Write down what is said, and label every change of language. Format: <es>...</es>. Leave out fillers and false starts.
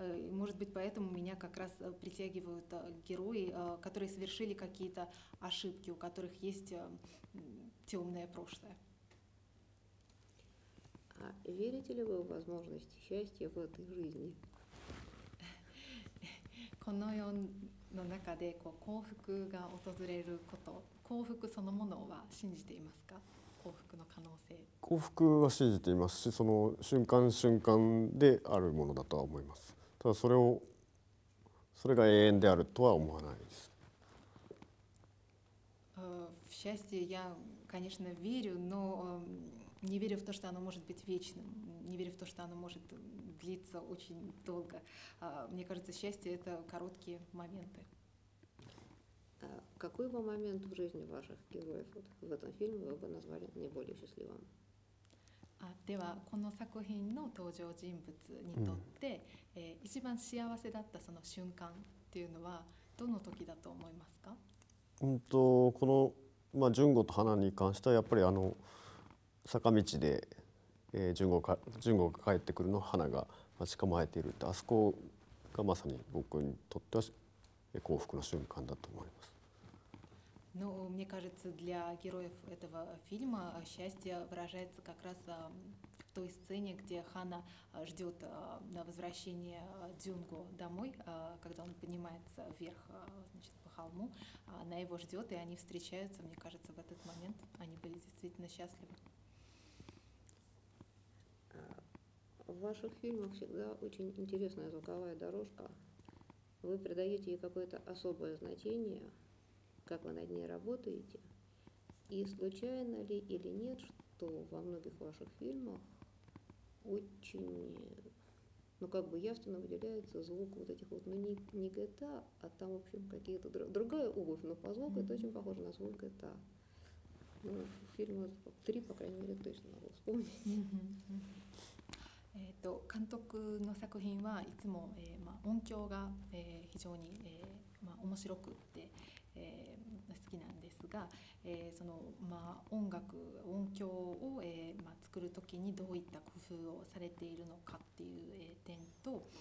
<ru>Может быть, поэтому меня как раз притягивают герои, которые совершили какие-то ошибки, у которых есть темное прошлое. А верите ли вы в возможность счастья в этой жизни?</ru> <ja>この世の中でこう幸福が訪れること、幸福そのものは信じていますか？幸福の可能性。幸福は信じていますし、その瞬間瞬間であるものだとは思います。ただそれが永遠であるとは思わないです。</ja> <ru>В счастье я, конечно, верю, но не верю в то, что оно может быть вечным, не верю в то, что оно может длиться очень долго. Мне кажется, счастье – это короткие моменты. Какой бы момент в жизни ваших героев вот, в этом фильме вы бы назвали наиболее счастливым?</ru> <ja>ではこの作品の登場人物にとって、一番幸せだったその瞬間っていうのはどの時だと思いますか？この、まあ、純吾と花に関してはやっぱりあの坂道で、純吾が帰ってくるの花が待ち構えているってあそこがまさに僕にとっては幸福の瞬間だと思います。</ja> <ru>Ну, мне кажется, для героев этого фильма счастье выражается как раз в той сцене, где Хана ждет на возвращение Дзюнго домой, когда он поднимается вверх, значит, по холму. Она его ждет, и они встречаются. Мне кажется, в этот момент они были действительно счастливы. В ваших фильмах всегда очень интересная звуковая дорожка. Вы придаете ей какое-то особое значение. Как вы над ней работаете? И случайно ли или нет, что во многих ваших фильмах очень, ну как бы явственно выделяется звук вот этих вот, ну не ГТА, а там, в общем, какие-то другая обувь, но по звуку это очень похоже на звук ГТА. Ну, фильмы три, по крайней мере, точно могу вспомнить.</ru> <ja>監督の作品はいつも音響が非常に面白くて。好きなんですが、その、まあ、音楽音響を、まあ、作る時にどういった工夫をされているのかっていう、点と、も</ja>